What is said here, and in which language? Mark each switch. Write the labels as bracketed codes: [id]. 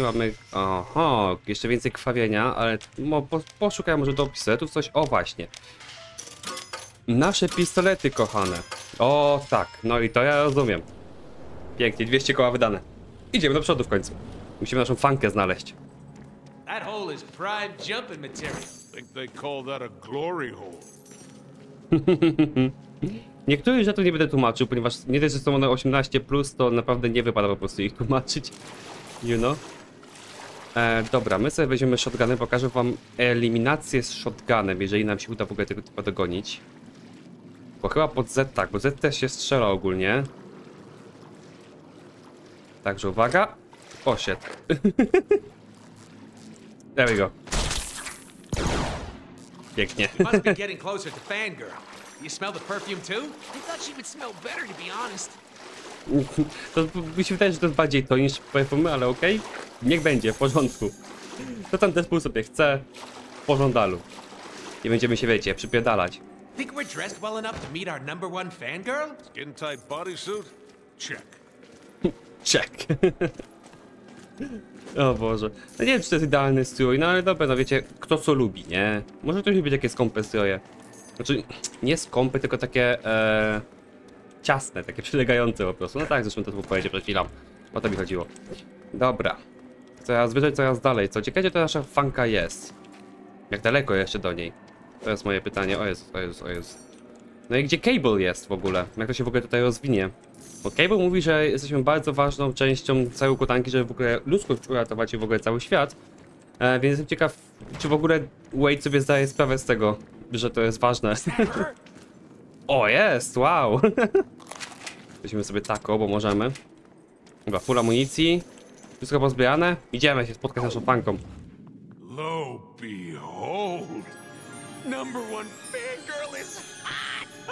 [pl] Mamy, oho, jeszcze więcej krwawienia, ale poszukaj może do pistoletów coś. O, właśnie. Nasze pistolety kochane. O, tak. No i to ja rozumiem. Pięknie, 200 koła wydane. Idziemy do przodu w końcu. Musimy naszą fankę znaleźć. [en] That hole is prime jumping material. I think they call that a glory hole. [pl] Niektórych rzeczy nie będę tłumaczył, ponieważ nie wiem, że są one 18+, to naprawdę nie wypada po prostu ich tłumaczyć. [en] You know? [pl] Dobra, my sobie weźmiemy shotguny, pokażę wam eliminację z shotgunem, jeżeli nam się uda w ogóle tego typu dogonić. Bo chyba pod Z, tak, bo Z też się strzela ogólnie. Także uwaga. Poszedł. There we go. Pięknie. [en] Must be getting closer to Fangirl. You smell the perfume too? I thought she would smell better, to be honest. [pl] To mi się wydaje, że to jest bardziej to niż perfumy, ale okej. Okay. Niech będzie, w porządku. To tam Deadpool sobie chce. W pożądalu. Nie będziemy się, wiecie, przypierdalać. [en] Think we're dressed well enough to meet our number one fangirl? Skin tight bodysuit? Check. Check. [pl] O Boże, no nie wiem, czy to jest idealny strój, no ale dobra, no wiecie, kto co lubi, nie? Może ktoś lubi takie skąpe stroje. Znaczy, nie skąpe, tylko takie ciasne, takie przylegające po prostu. No tak, zresztą to powiedzieć przed chwilą, o to mi chodziło. Dobra, coraz wyżej, coraz dalej. Co ciekawe, to nasza fanka jest. Jak daleko jeszcze do niej? To jest moje pytanie, o Jezus, o Jezus, o Jezus. No i gdzie Cable jest w ogóle? Jak to się w ogóle tutaj rozwinie? Bo Cable mówi, że jesteśmy bardzo ważną częścią całej układanki, żeby w ogóle ludzkość uratować i w ogóle cały świat. Więc jestem ciekaw, czy w ogóle Wade sobie zdaje sprawę z tego, że to jest ważne. O, jest! Wow! Weźmy sobie taką, bo możemy. Chyba full amunicji. Wszystko pozbierane. Idziemy się spotkać z naszą fanką. [en] Lo behold! Number one fangirl is hot!